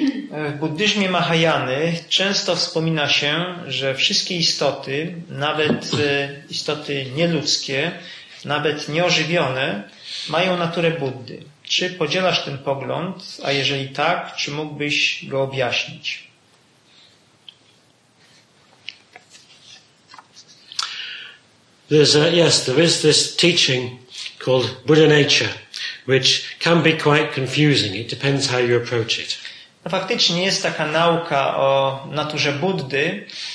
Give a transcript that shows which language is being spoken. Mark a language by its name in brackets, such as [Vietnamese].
[Polish] W buddyzmie Mahajany często wspomina się, że wszystkie istoty, nawet istoty nieludzkie, nawet nieożywione, mają naturę Buddy. Czy podzielasz ten pogląd? A jeżeli tak, czy mógłbyś go objaśnić? [English] There is this teaching called Buddha nature, which can be quite confusing. It depends how you approach it. [Polish] No faktycznie jest taka nauka o naturze Buddy,